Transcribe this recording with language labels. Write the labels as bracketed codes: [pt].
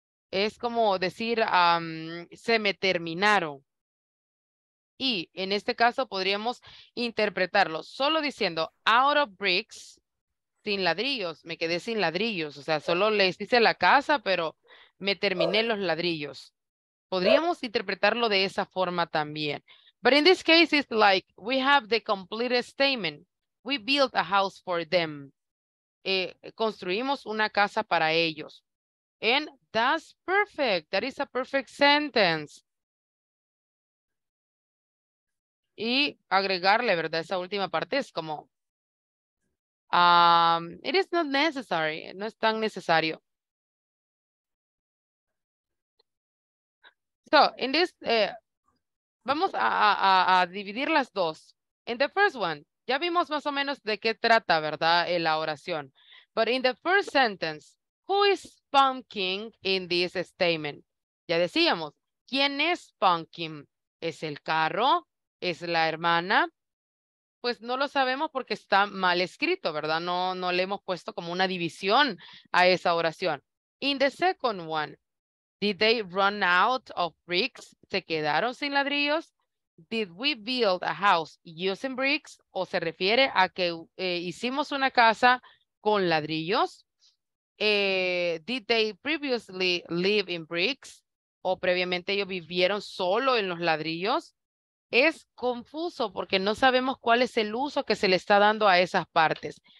[es] Es como decir, se me terminaron. Y en este caso podríamos interpretarlo solo diciendo out of bricks, sin ladrillos, me quedé sin ladrillos. O sea, solo les hice la casa, pero me terminé los ladrillos. Podríamos interpretarlo de esa forma también. [en] But in this case, it's like we have the complete statement. We built a house for them. [es] Construimos una casa para ellos. [en] And that's perfect. That is a perfect sentence. [es] Y agregarle, ¿verdad? Esa última parte es como... [en] it is not necessary. [es] No es tan necesario. [en] So, in this, [es] vamos a dividir las dos. [en] In the first one, [es] ya vimos más o menos de qué trata, ¿verdad? La oración. [en] But in the first sentence, who is pumpkin in this statement? [es] Ya decíamos, ¿quién es pumpkin? ¿Es el carro? ¿Es la hermana? Pues no lo sabemos porque está mal escrito, ¿verdad? No le hemos puesto como una división a esa oración. [en] In the second one, did they run out of bricks? [es] ¿Se quedaron sin ladrillos? [en] Did we build a house using bricks? [es] ¿O se refiere a que hicimos una casa con ladrillos? [en] Did they previously live in bricks? [es] ¿O previamente ellos vivieron solo en los ladrillos? Es confuso porque no sabemos cuál es el uso que se le está dando a esas partes.